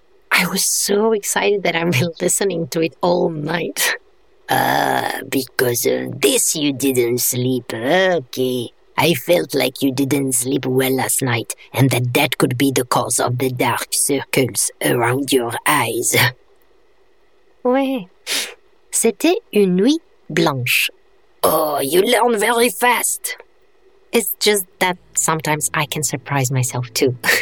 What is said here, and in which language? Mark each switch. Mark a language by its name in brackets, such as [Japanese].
[English] I was so excited that I've been listening to it all night. Because of this you didn't sleep, okay. I felt like you didn't sleep well last night, and that could be the cause of the dark circles around your eyes. [French] Ouais. C'était une nuit blanche. [English] Oh, you learn very fast. It's just that sometimes I can surprise myself too.